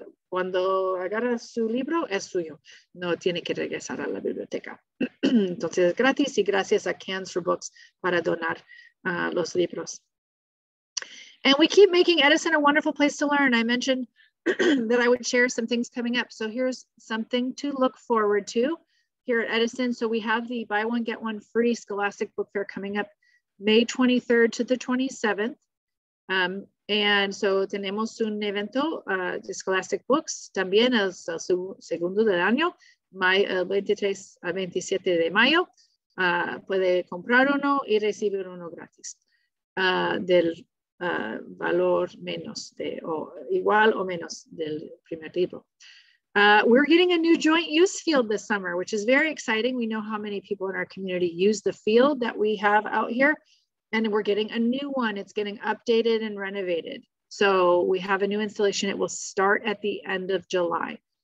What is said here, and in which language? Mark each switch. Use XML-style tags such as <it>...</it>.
<es>Cuando agarra su libro, es suyo. No tiene que regresar a la biblioteca. Entonces es gratis, y gracias a Cans for Books para donar los libros.</es> <en>And we keep making Edison a wonderful place to learn. I mentioned that I would share some things coming up. So here's something to look forward to here at Edison. So we have the buy one, get one free Scholastic Book Fair coming up May 23rd to the 27th. And so</en> <es>tenemos un evento de Scholastic Books también el segundo del año, el 23 al 27 de mayo. Puede comprar uno y recibir uno gratis del valor menos de, o igual o menos del primer libro.</es> <en>We're getting a new joint use field this summer, which is very exciting. We know how many people in our community use the field that we have out here. And we're getting a new one. It's getting updated and renovated. So we have a new installation. It will start at the end of July.</en>